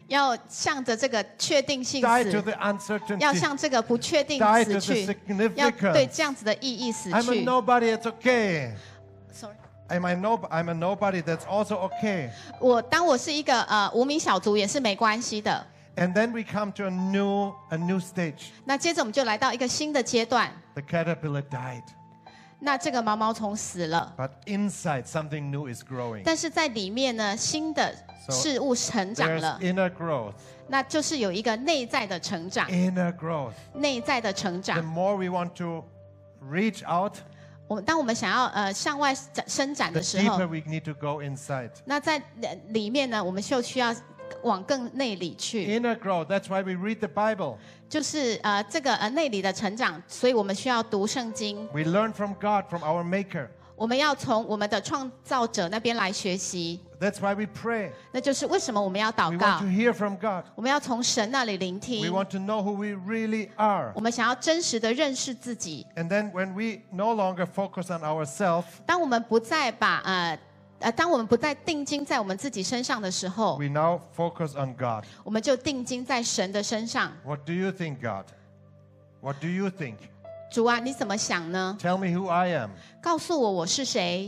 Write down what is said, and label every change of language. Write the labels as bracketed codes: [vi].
[zh] 要向着这个确定性死。 [en] Die to the uncertainty. [zh] 要向这个不确定死去。 [en] Die to the significance. [zh] 要对这样子的意义死去。 [en] I'm a nobody. It's okay. Sorry. I'm a nobody. That's also okay. [zh] 我当我是一个无名小卒也是没关系的。 [en] And then we come to a new stage. [zh] 那接着我们就来到一个新的阶段。 [en] The caterpillar died. [zh] 那这个毛毛虫死了。 [en] But inside something new is growing. [zh] 但是在里面呢，新的事物成长了。 [en] There's inner growth. [zh] 那就是有一个内在的成长。 [en] Inner growth. [zh] 内在的成长。 [en] The more we want to reach out. [zh] 当我们想要向外伸展的时候。 [en] The deeper we need to go inside. [zh] 那在里面呢，我们就需要。往更内里去。 [en] Inner growth, that's why we read the Bible. [zh] 就是这个内里的成长，所以我们需要读圣经。 [en] We learn from God, from our Maker. [zh] 我们要从我们的创造者那边来学习。 [en] That's why we pray. [zh] 那就是为什么我们要祷告。 [en] We want to hear from God. [zh] 我们要从神那里聆听。 [en] We want to know who we really are. [zh] 我们想要真实的认识自己。 [en] And then when we no longer focus on ourselves. [zh] 当我们不再把当我们不再定睛在我们自己身上的时候 [en] We now focus on God. [zh] 我们就定睛在神的身上 [en] What do you think, God? What do you think? [zh] 主啊，你怎么想呢？ [en] Tell me who I am. [zh] 告诉我我是谁。